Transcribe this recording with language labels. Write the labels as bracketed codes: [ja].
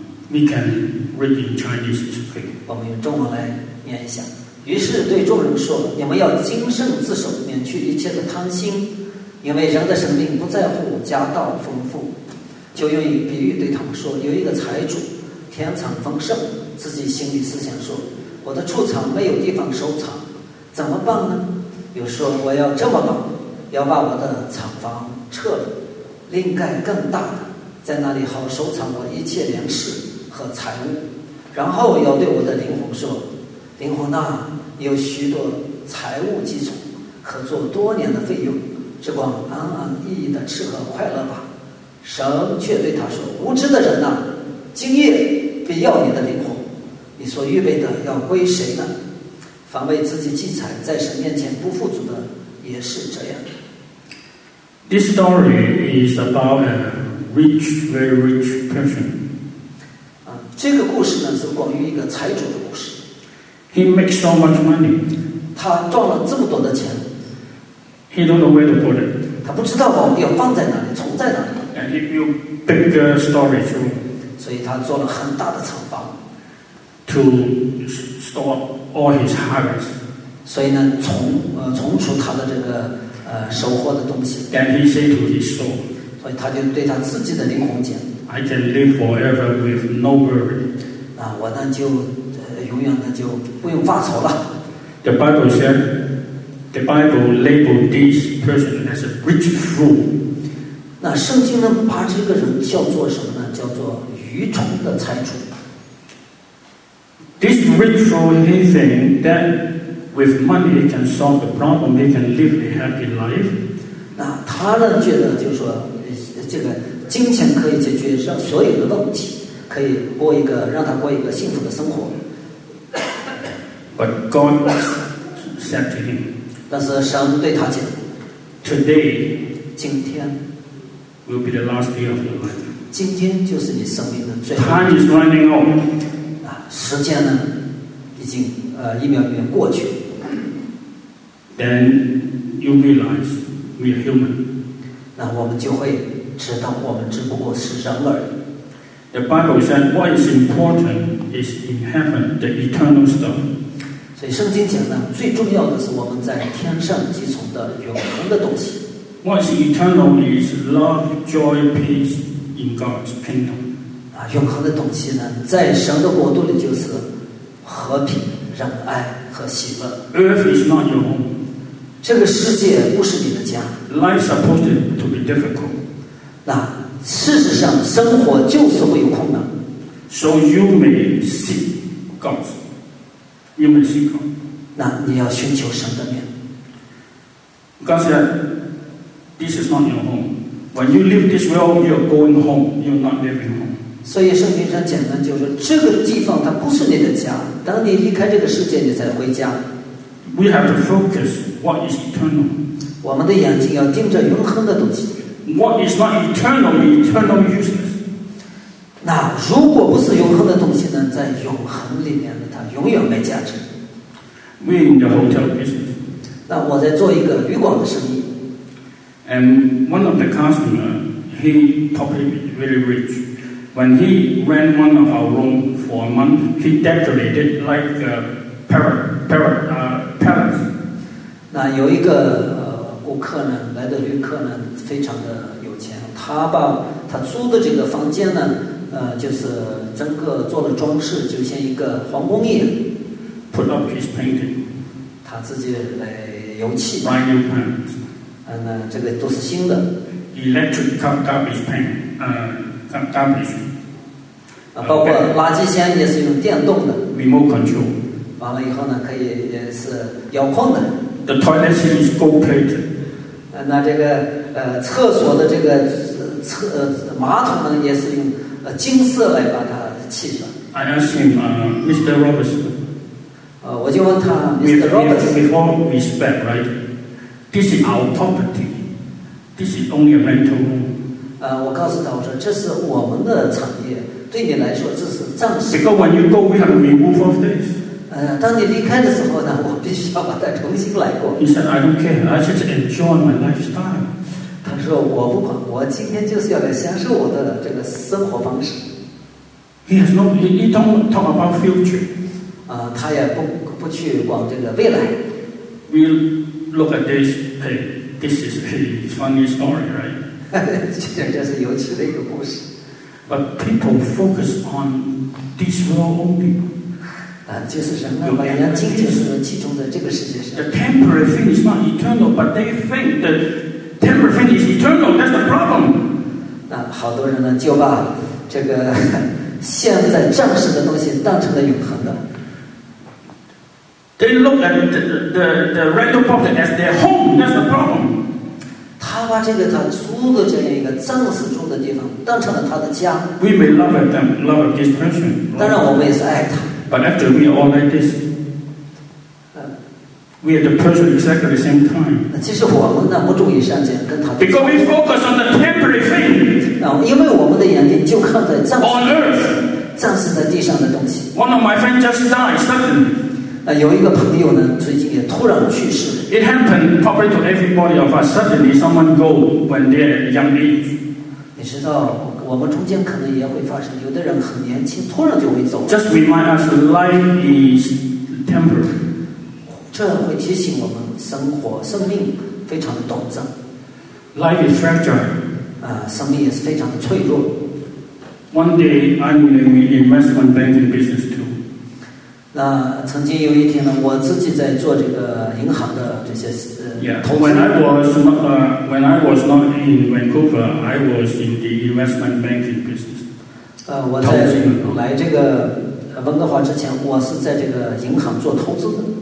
[en] We can read in Chinese to pray. [zh] 我们用中文来念一下。于是对众人说：“你们要谨慎自守，免去一切的贪心，因为人的生命不在乎家道丰富。” 就用一比喻对他们说：“有一个财主，田产丰盛，自己心里思想说：我的畜产没有地方收藏，怎么办呢？又说：我要这么办。” 要把我的厂房撤了，另盖更大的，在那里好收藏我一切粮食和财物。然后要对我的灵魂说：“灵魂呐，有许多财物积存，可做多年的费用，只管安安逸逸的吃喝快乐吧。” 神却对他说：“无知的人呐，今夜必要你的灵魂，你所预备的要归谁呢？凡为自己积财，在神面前不富足的。” 也是这样。 [en] This story is about a rich, very rich person. [zh] 这个故事呢是关于一个财主的故事。 [en] He makes so much money. [zh] 他赚了这么多的钱。 [en] He don't know where to put it. [zh] 他不知道要放在哪里，存在哪里。 [en] And he built bigger storage room. [zh] 所以他做了很大的厂房。 [en] To store all his harvest. [zh] 所以呢，存储他的这个收获的东西。 [en] Then he said to his soul, [zh] 所以他就对他自己的灵魂讲 [en] ：“I can live forever with no worry。” [zh] 我呢就永远呢就不用发愁了。 [en] The Bible said, the Bible labeled this person as a rich fool. [zh] 那圣经呢把这个人叫做什么呢？叫做愚蠢的财主。 [en] This rich fool thinks that. With money, he can solve the problem. He can live a happy life. [zh] 那他呢？觉得就是说，这个金钱可以解决上所有的问题，可以过一个让他过一个幸福的生活。 [en] But God said to him， [zh] 但是神对他讲 [en] ，Today， [zh] 今天 [en] ，will be the last day of your life。 [zh] 今天就是你生命的最后一天。 [en] Time is running out。 [zh] 时间呢，已经一秒一秒过去。 [en] Then you realize we are human。 [zh] 那我们就会知道，我们只不过是人而已。 [en] The Bible said, "What is important is in heaven, the eternal stuff." [zh] 所以圣经讲呢，最重要的是我们在天上积存的永恒的东西。 [en] What is eternal is love, joy, peace in God's kingdom. [zh] 啊，永恒的东西呢，在神的国度里就是和平、仁爱和喜乐。 [en] Earth is not your home. [zh] 这个世界不是你的家。 [en] Life supposed to be difficult. [zh] 那。事实上生活就是会有困难。 [en] So you may seek God. You may seek God. [zh] 那你要寻求神的面。 [en] God said, this is not your home. When you leave this world, you are going home. You are not living home. [zh] 所以圣经上简单就是这个地方它不是你的家，当你离开这个世界你才回家。 [en] We have to focus what is eternal. [zh] 我们的眼睛要盯着永恒的东西。 [en] What is not eternal, eternal useless. [zh] 那如果不是永恒的东西呢？在永恒里面呢，它永远没价值。 [en] We in the hotel business. [zh] 那我在做一个旅馆的生意。 [en] And one of the customers, he probably really rich. When he rent one of our room for a month, he decorated like a palace. [zh] 那有一个顾客呢，来的旅客呢，非常的有钱。他把他租的这个房间呢，就是整个做的装饰，就像一个皇宫一样。 [en] Put up his painting. [zh] 他自己来油漆。 [en] Buy new paint. [zh] 那这个都是新的。 [en] Electric garbage paint. Garbage. [zh] 包括垃圾箱也是用电动的。 [en] Remote control. [zh] 完了以后呢，可以也是遥控的。 [en] The toilet seat is gold plated. [zh] 那这个厕所的这个马桶呢，也是用金色来把它砌上。 [en] I asked him, Mr. Roberts. [zh] 我就问他 ，Mr. Roberts. [en] Before we spend, right? This is our property. This is only a rental room. [zh] 我告诉他，我说这是我们的产业，对你来说这是暂时。 [en] Because when you go, we have to remove all this. [zh] 当你离开的时候呢，我必须要把它重新来过。 [en] He said, "I don't care. I just enjoy my lifestyle." [zh] 他说我不管，我今天就是要来享受我的这个生活方式。 [en] He has no, he don't talk about future. [zh] 他也不去往这个未来。 [en] We look at this. Hey, this is a funny story, right? [zh] 这是有趣的一个故事。 [en] But people focus on this world only. [zh] 就是人们把眼睛就是集中在这个世界上。 [en] The temporary thing is not eternal, but they think the temporary thing is eternal. That's the problem. [zh] 那好多人呢就把这个现在暂时的东西当成了永恒的。 [en] They look at the rental property as their home. That's the problem. [zh] 他把这个他租的这样一个暂时住的地方当成了他的家。 [en] We may love them, love this person. [zh] 当然，我们也是爱他。 [en] But after we are all like this, we are the person exactly the same time. [zh] 其实我们呢不注意善见，跟他。 [en] Because we focus on the temporary thing. [zh] 因为我们的眼睛就看在暂时。 [en] On earth, [zh] 暂时在地上的东西。 [en] One of my friends just died suddenly. [zh] 有一个朋友呢，最近也突然去世。 [en] It happened probably to everybody of us. Suddenly, someone go when they're young age. [zh] 你知道。我们中间可能也会发生，有的人很年轻，突然就会走。 [en] Just remind us, life is temporary. [zh] 这会提醒我们，生活、生命非常的短暂。 [en] Life is fragile. [zh] 生命也是非常的脆弱。 [en] One day, I'm in an investment banking business too. [zh] 那曾经有一天呢，我自己在做这个银行的这些 [en] Yeah, when I was not in Vancouver, I was in the investment banking business. [zh] 我在来这个温哥华之前，我是在这个银行做投资的。